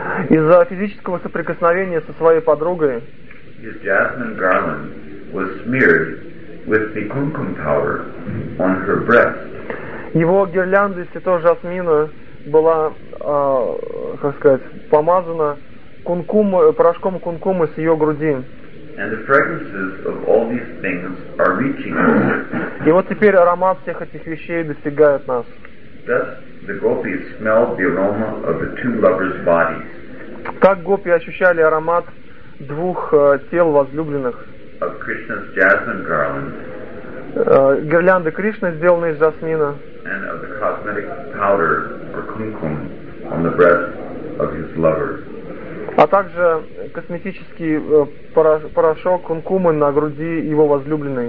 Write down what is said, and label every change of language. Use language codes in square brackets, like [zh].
[ru] Из-за физического соприкосновения со своей подругой. [en] His jasmine garland was smeared with the kumkum powder on her breast. [ru] Его гирлянда из цветов жасмина была, как сказать, помазана порошком кункума с ее груди. [en] And the fragrances of all these things are reaching us. [ru] И вот теперь аромат всех этих вещей достигает нас. [en] Thus, the gopis smelled the aroma of the two lovers' bodies. [ru] Так гопи ощущали аромат двух тел возлюбленных. [en] Of Krishna's jasmine garland. [ru] Гирлянды Кришны, сделанные из жасмина. [en] And of the cosmetic powder or kumkum on the breast of his lover. [ru] А также косметический порошок кункумы на груди его возлюбленной.